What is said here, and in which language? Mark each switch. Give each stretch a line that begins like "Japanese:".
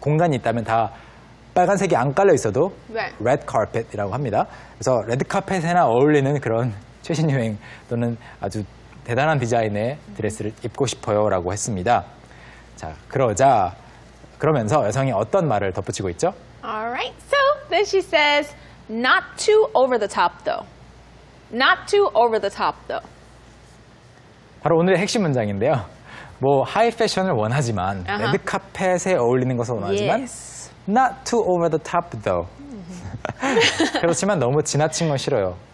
Korean: 공간이 있다면 다 빨간색이 안 깔려 있어도
English: right.
Korean: red carpet이라고 합니다. 그래서 레드 카펫에나 어울리는 그런 최신 유행 또는 아주 대단한 디자인의 드레스를 입고 싶어요라고 했습니다. 자, 그러자 그러면서 여성이 어떤 말을 덧붙이고 있죠?
English: All right. So then she says, "Not too over the top, though." Not too over the top, though.
Korean: 바로 오늘의 핵심 문장인데요. 뭐 하이 패션을 원하지만 uh-huh. 레드 카펫에 어울리는 것을 원하지만
English: yes. not too over the top, though. Mm-hmm.
Korean: 그렇지만 너무 지나친 건 싫어요.